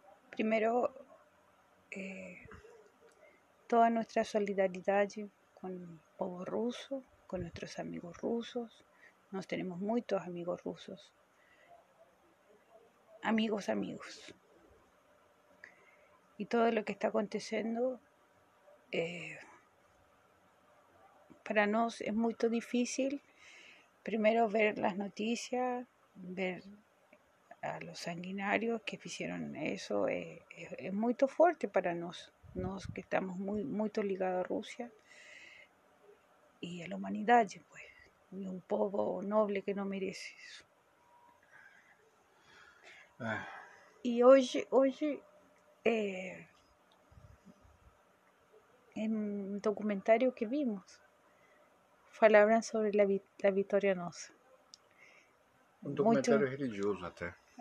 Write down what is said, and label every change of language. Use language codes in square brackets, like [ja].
[pt] Primeiro, toda a nossa solidariedade com o povo russo, com nossos amigos russos. Nós temos muitos amigos russos. Amigos, amigos. [es] Y todo lo que está aconteciendo para nos es muy difícil. Primero ver las noticias, ver a los sanguinarios que hicieron eso. Es muy fuerte para nos que estamos muy, muy ligados a Rusia y a la humanidad. Pues, y un pueblo noble que no merece eso. [pt] E hoje em um documentário que vimos, falaram sobre a vitória nossa. Um documentário muito religioso até.